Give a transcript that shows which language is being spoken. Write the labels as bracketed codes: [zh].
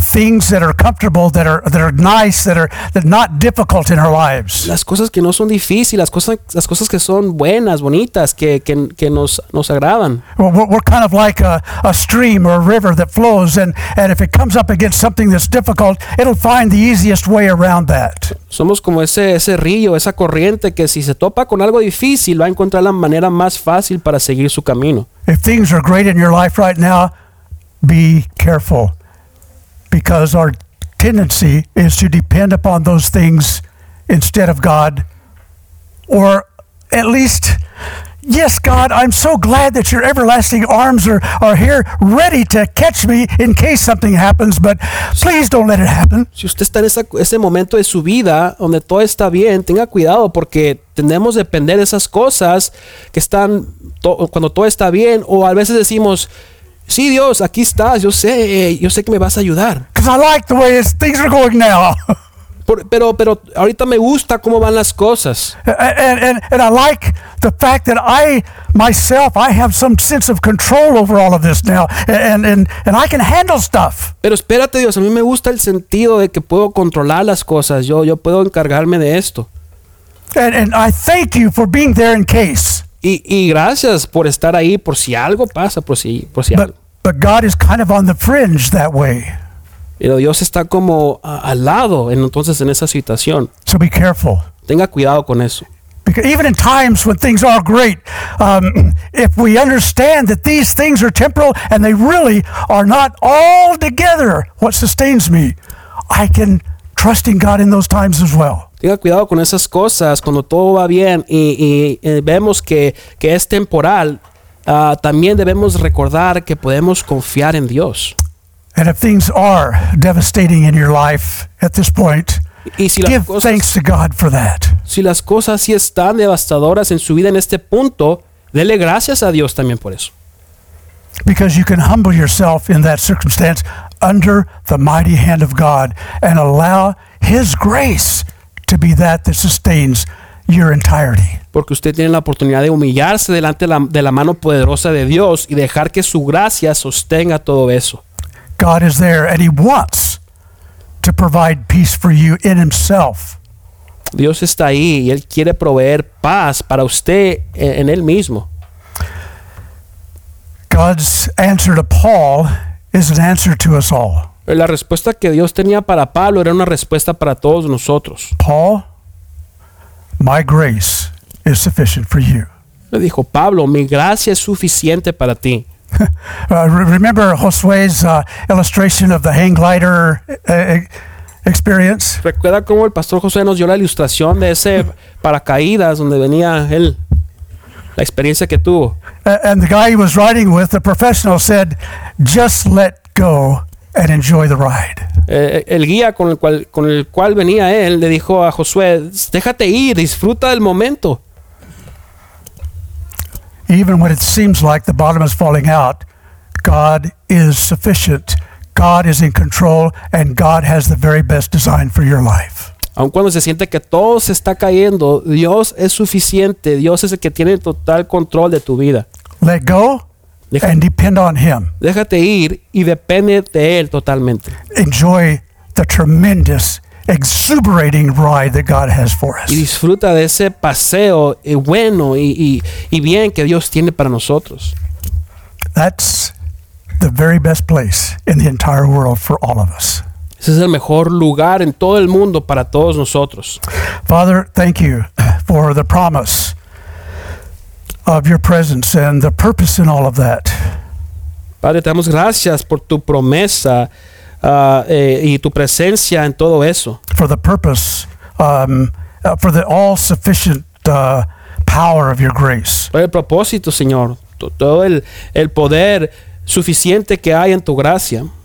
[en] Things that are comfortable, that are nice, that are not difficult in our lives. [es] Las cosas que no son difíciles, las cosas que son buenas, bonitas, que nos agradan. [en] We're kind of like a stream or a river that flows, and if it comes up against something that's difficult, it'll find the easiest way around that. [es] Somos como ese río, esa corriente que si se topa con algo difícil va a encontrar la manera más fácil para seguir su camino. [en] If things are great in your life right now, be careful, because our tendency is to depend upon those things instead of God, or at least, yes, God, I'm so glad that your everlasting arms are here, ready to catch me in case something happens, but please don't let it happen. [es] Si usted está en ese momento de su vida donde todo está bien, tenga cuidado porque tendemos a depender de esas cosas que están cuando todo está bien, o a veces decimos, sí, Dios, aquí estás. Yo sé que me vas a ayudar. [en] Because I like the way things are going now. [es] Pero ahorita me gusta cómo van las cosas. [en] And I like the fact that I myself, I have some sense of control over all of this now, and I can handle stuff. [es] Pero espérate, Dios, a mí me gusta el sentido de que puedo controlar las cosas. Yo puedo encargarme de esto. [en] And I thank you for being there in case. [es] Y gracias por estar ahí, por si algo pasa, por si [en] but, [es] algo. [en] But God is kind of on the fringe that way. [es] Pero Dios está como al lado, entonces, en esa situación. [en] So be careful. [es] Tenga cuidado con eso. [en] Because even in times when things are great, if we understand that these things are temporal and they really are not altogether what sustains me, I can trust in God in those times as well. [es] Tenga cuidado con esas cosas cuando todo va bien y vemos que es temporal, también debemos recordar que podemos confiar en Dios. [en] And if things are devastating in your life at this point, thanks to God for that. [es] Si las cosas sí están devastadoras en su vida en este punto, dele gracias a Dios también por eso. [en] Because you can humble yourself in that circumstance under the mighty hand of God and allow His grace to be that sustains your entirety. [es] Porque usted tiene la oportunidad de humillarse delante de la mano poderosa de Dios y dejar que su gracia sostenga todo eso. [en] God is there and He wants to provide peace for you in Himself. [es] Dios está ahí y Él quiere proveer paz para usted en Él mismo. [en] God's answer to Paul is an answer to us all. [es] La respuesta que Dios tenía para Pablo era una respuesta para todos nosotros. [en] Paul, my grace is sufficient for you. [es] Le dijo Pablo, mi gracia es suficiente para ti. [en] Remember Josué's illustration of the hang glider experience? [es] ¿Recuerda cómo el pastor Josué nos dio la ilustración de ese paracaídas donde venía él? La experiencia que tuvo. [en] And the guy he was riding with, the professional, said, "Just let go and enjoy the ride." [es] El guía con el cual venía él le dijo a Josué, "Déjate ir, disfruta del momento." [en] Even when it seems like the bottom is falling out, God is sufficient. God is in control, and God has the very best design for your life. [es] Aun cuando se siente que todo se está cayendo, Dios es suficiente. Dios es el que tiene total control de tu vida. [en] Let go and depend on Him. [es] Déjate ir y depende de Él totalmente. [en] Enjoy the tremendous, exuberating ride that God has for us. [es] Y disfruta de ese paseo bueno y bien que Dios tiene para nosotros. [en] That's the very best place in the entire world for all of us. [es] Ese es el mejor lugar en todo el mundo para todos nosotros. [en] Father, thank you for the promise of your presence and the purpose in all of that. [es] Padre, te damos gracias por tu promesa y tu presencia en todo eso. [en] For the purpose, for the all-sufficient power of your grace. [es] Por el propósito, Señor, todo el poder suficiente que hay en tu gracia.